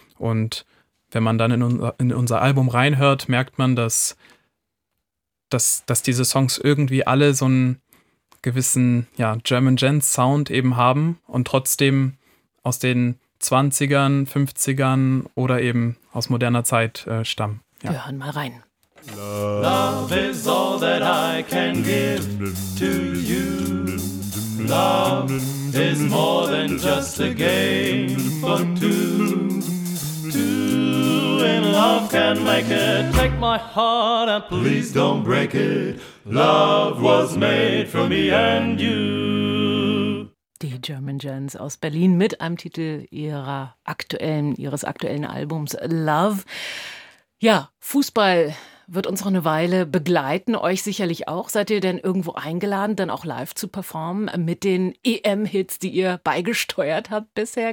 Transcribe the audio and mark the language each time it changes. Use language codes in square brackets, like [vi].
[de] Und wenn man dann in unser Album reinhört, merkt man, dass diese Songs irgendwie alle so ein gewissen ja, German Gents Sound eben haben und trotzdem aus den 20ern, 50ern oder eben aus moderner Zeit stammen. Ja. Wir hören mal rein. [en] Love is all that I can give to you. Love is more than just a game for two. Two in love can make it. Take my heart and please don't break it. Love was made for me and you. [de] Die German Gents aus Berlin mit einem Titel ihres aktuellen Albums Love. Ja, Fußball wird uns noch eine Weile begleiten, euch sicherlich auch. Seid ihr denn irgendwo eingeladen, dann auch live zu performen mit den EM-Hits, die ihr beigesteuert habt bisher?